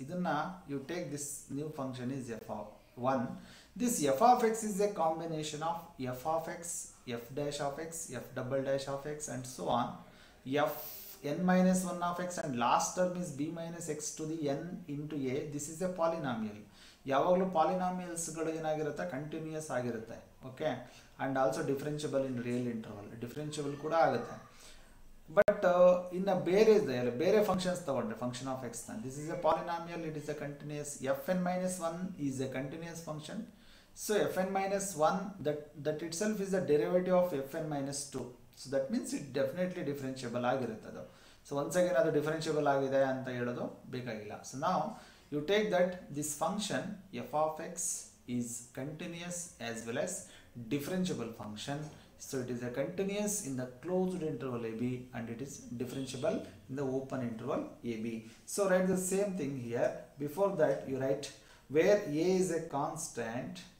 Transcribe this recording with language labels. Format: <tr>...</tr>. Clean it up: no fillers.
<kn>Idanna</kn> <en>you take this new function is f of 1. This f of x is a combination of f of x, f dash of x, f double dash of x, and so on, f n minus 1 of x, and last term is b minus x to the n into a. This is a polynomial.</en> <kn>ಯಾವಾಗಲೂ polynomials ಗಳು ಏನಾಗಿರುತ್ತೆ, continuous ಆಗಿರುತ್ತೆ.</kn> <en>okay, and also differentiable in real interval, differentiable</en> <kn>ಕೂಡ ಆಗುತ್ತೆ.</kn> <en>but</en> <kn>ಇನ್ನು ಬೇರೆ functions ತಗೊಂಡ್ರೆ,</kn> <en>Function of ಎಕ್ಸ್ನ, this is a polynomial, it is a continuous, f n minus 1 is a continuous function. So f n minus 1 that itself is a derivative of f n minus 2. So that means it definitely differentiable</en> <kn>ಆಗಿರುತ್ತೆ ಅದು.</kn> <en>so once again</en> <kn>ಅದು</kn> <en>differentiable</en> <kn>ಆಗಿದೆ ಅಂತ ಹೇಳೋದು ಬೇಕಾಗಿಲ್ಲ.</kn> <en>so</en> <kn>ನಾವು</kn> <en>you take that this function f of x is continuous as well as differentiable function. So it is a continuous in the closed interval AB and it is differentiable in the open interval AB. So write the same thing here. Before that you write where a is a constant.</en>